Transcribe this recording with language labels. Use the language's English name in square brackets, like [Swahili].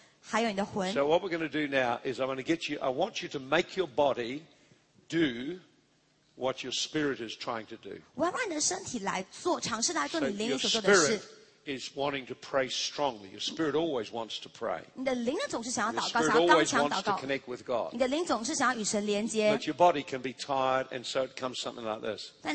[English] So what we're going to do now is I want you to make your body do what your spirit is trying to do. [Chinese] 我要让你的身体来做, 尝试来做你灵里所做的事。 [English] So your spirit is wanting to pray strongly. Your spirit always wants to pray. Your spirit always wants to connect with God. But your body can be tired, and so it comes something like this.